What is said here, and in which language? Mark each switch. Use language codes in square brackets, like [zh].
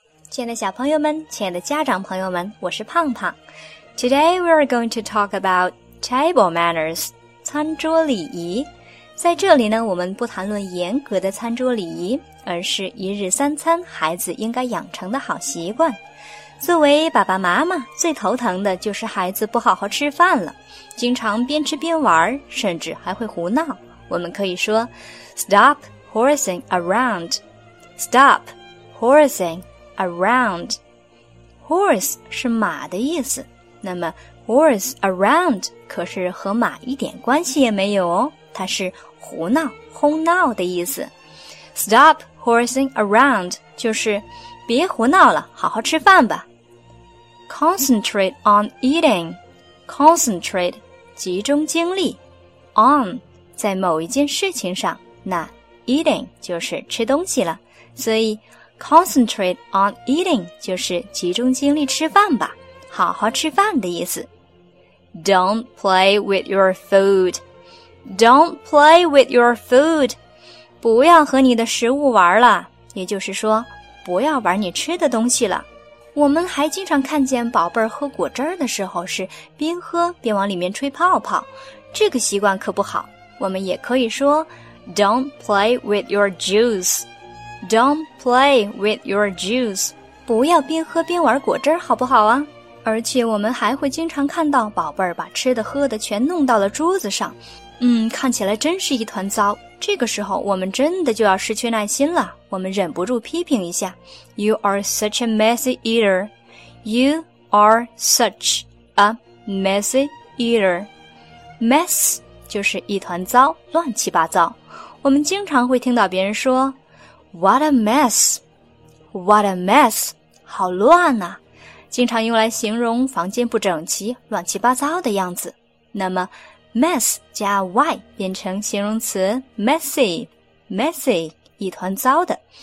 [zh] 亲爱的小朋友们，亲爱的家长朋友们，我是胖胖。 [en] Today we are going to talk about table manners, [zh] 餐桌礼仪。在这里呢，我们不谈论严格的餐桌礼仪，而是一日三餐孩子应该养成的好习惯。作为爸爸妈妈，最头疼的就是孩子不好好吃饭了，经常边吃边玩，甚至还会胡闹。我们可以说 [en] Stop horsing around. Stop horsing around. [zh] Horse 是马的意思，那么 [en] horse around [zh] 可是和马一点关系也没有哦，它是胡闹、哄闹的意思。 [en] Stop horsing around [zh] 就是别胡闹了，好好吃饭吧。 [en] Concentrate on eating. [zh] Concentrate 集中精力 on 在某一件事情上，那 eating 就是吃东西了，所以 concentrate on eating 就是集中精力吃饭吧，好好吃饭的意思。 [en] Don't play with your food. Don't play with your food. [zh] 不要和你的食物玩了，也就是说不要玩你吃的东西了。我们还经常看见宝贝儿喝果汁儿的时候是边喝边往里面吹泡泡，这个习惯可不好。我们也可以说 [en] Don't play with your juice. Don't play with your juice. [zh] 不要边喝边玩果汁儿好不好啊。而且我们还会经常看到宝贝儿把吃的喝的全弄到了桌子上，看起来真是一团糟。这个时候我们真的就要失去耐心了，我们忍不住批评一下。 [en] You are such a messy eater. You are such a messy eater. [zh] Mess 就是一团糟，乱七八糟。我们经常会听到别人说 [en] What a mess. What a mess. [zh] 好乱啊，经常用来形容房间不整齐，乱七八糟的样子。那么mess 加 y 变成形容词 messy 一团糟的。